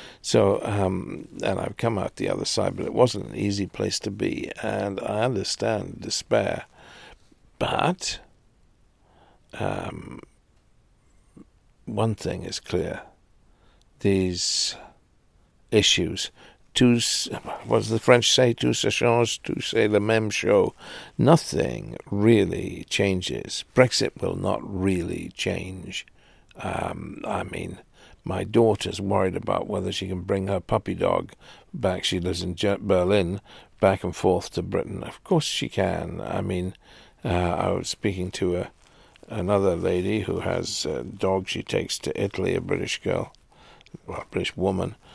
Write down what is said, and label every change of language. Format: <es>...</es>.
<en>So, and I've come out the other side, but it wasn't an easy place to be, and I understand despair. But one thing is clear. These issues, what does the French say?</en> <fr>Tout se change, tout c'est la même chose.</fr> <en>Nothing really changes. Brexit will not really change. I mean, my daughter's worried about whether she can bring her puppy dog back. She lives in Berlin, back and forth to Britain. Of course she can. I mean, I was speaking to another lady who has a dog she takes to Italy, a British girl, well, a British woman.</en>